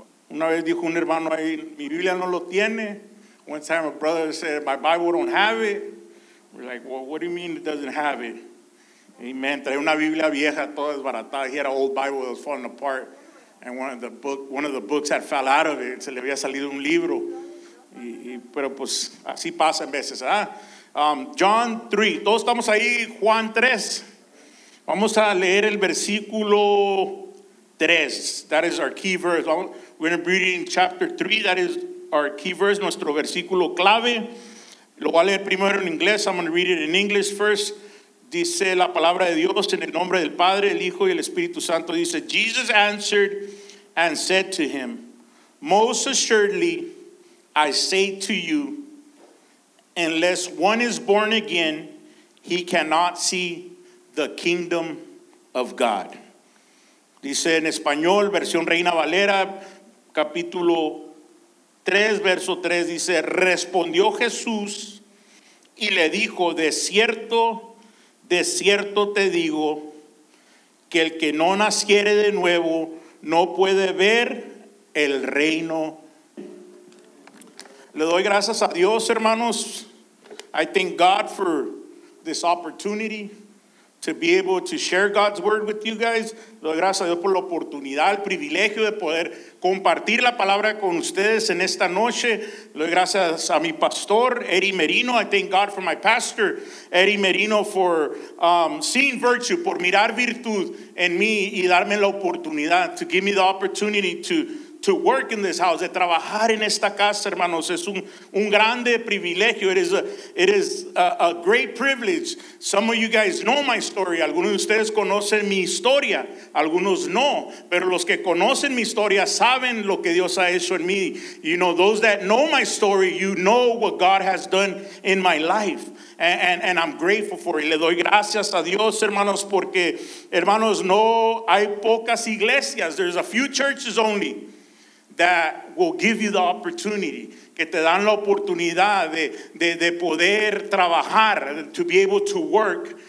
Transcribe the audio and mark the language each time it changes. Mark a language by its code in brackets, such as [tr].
[es] Una vez dijo un hermano ahí, mi Biblia no lo tiene. [en] One time a brother said, my Bible don't have it. We're like, well, what do you mean it doesn't have it? Amen. [es] Trae una Biblia vieja, toda desbaratada. [en] He had an old Bible that was falling apart. And one of the books had fell out of it. [es] Se le había salido un libro. Pero pues así pasa en veces, ¿verdad? John 3, todos estamos ahí, Juan 3, vamos a leer el versículo 3, [en] that is our key verse. We're going to be reading chapter 3, that is our key verse, [es] nuestro versículo clave. Lo voy a leer primero en inglés, [en] I'm going to read it in English first. [es] Dice la palabra de Dios en el nombre del Padre, el Hijo y el Espíritu Santo. [en] Dice, Jesus answered and said to him, most assuredly I say to you, unless one is born again, he cannot see the kingdom of God. [es] Dice en español, versión Reina Valera, capítulo 3, verso 3, dice, respondió Jesús y le dijo, de cierto te digo, que el que no naciere de nuevo, no puede ver el reino. Le doy gracias a Dios, hermanos. [en] I thank God for this opportunity to be able to share God's word with you guys. [es] Doy gracias a Dios por la oportunidad, el privilegio de poder compartir la palabra con ustedes en esta noche. Doy gracias a mi pastor, Eddie Merino. [en] I thank God for my pastor, Eddie Merino, for seeing virtue, [es] por mirar virtud en mí y darme la oportunidad, [en] to give me the opportunity to work in this house, [es] de trabajar en esta casa, hermanos, es un grande privilegio. [en] It is a great privilege. Some of you guys know my story. [es] Algunos de ustedes conocen mi historia. Algunos no. Pero los que conocen mi historia saben lo que Dios ha hecho en mí. [en] You know, those that know my story, you know what God has done in my life. And I'm grateful for it. [es] Le doy gracias a Dios, hermanos, porque, hermanos, no hay pocas iglesias. [en] There's a few churches only that will give you the opportunity, [es] que te dan la oportunidad de poder trabajar, [en] to be able to work.